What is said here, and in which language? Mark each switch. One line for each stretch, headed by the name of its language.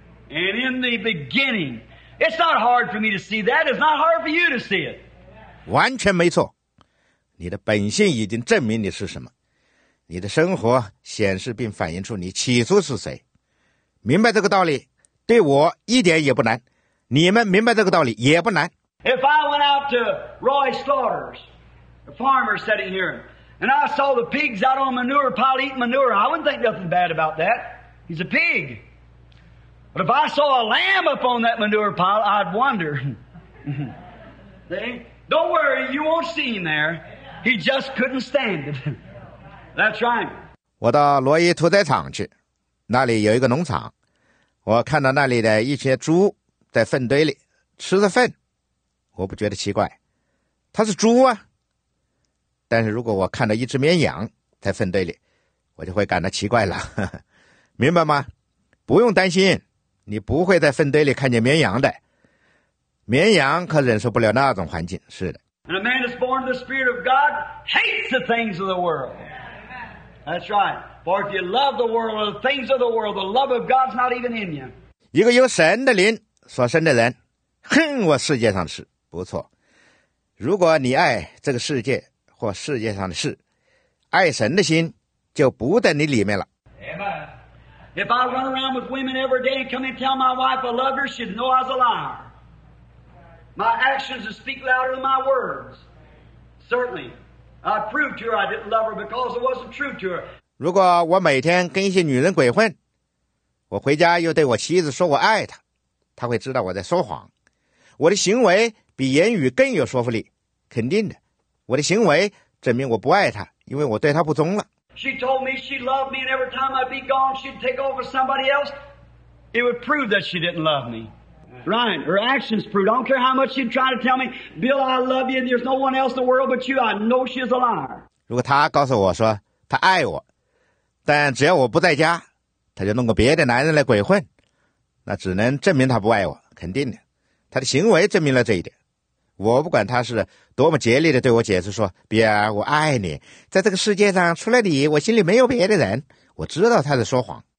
English: And in the beginning, it's not hard for me to see that. It's not hard for you to see it.
Chinese: 完全没错。你的本性已经证明你是什么。你的生活显示并反映出你起初是谁。明白这个道理对我一点也不难。你们明白这个道理也不难。
English: If I went out to Roy Slaughter's, a farmer sitting here, and I saw the pigs out on manure pile eating manure, I wouldn't think nothing bad about that. He's a pig. But if I saw a lamb up on that manure pile, I'd wonder. See? Don't worry, you won't see him there. He just couldn't stand it. That's right.
Chinese: 我到罗伊屠宰场去，那里有一个农场，我看到那里的一些猪在粪堆里吃着粪。我不觉得奇怪，它是猪啊。但是如果我看到一只绵羊在粪堆里，我就会感到奇怪了。明白吗？不用担心，你不会在粪堆里看见绵羊的。绵羊可忍受不了那种环境。是的。
English: And a man is born of the Spirit of God hates the things of the world. That's right. For if you love the world or the things of the world, the love of God's not even in you.
Chinese: 一个由神的灵所生的人恨我世界上的事，不错。如果你爱这个世界或世界上的事，爱神的心就不在你里面了。
English: If I run around with women every day and come and tell my wife I love her, she'd know I was a liar. My actions would speak louder than my words. Certainly, I proved to her I didn't love her because it wasn't true to her.
Chinese: 如果我每天跟一些女人鬼混，我回家又对我妻子说我爱她，她会知道我在说谎。我的行为比言语更有说服力，肯定的。我的行为证明我不爱他，因为我对他不忠了。
English: She told me she loved me, and every time I'd be gone, she'd take over somebody else. It would prove that she didn't love me. Right? Her actions proved. I don't care how much she'd try to tell me, Bill, I love you, and there's no one else in the world but you. I know she's a liar.
Chinese: 如果他告诉我说他爱我，但只要我不在家，他就弄个别的男人来鬼混，那只能证明他不爱我，肯定的。他的行为证明了这一点。我不管他是多么竭力地对我解释说，比尔，我爱你，在这个世界上除了你我心里没有别的人，我知道他在说谎。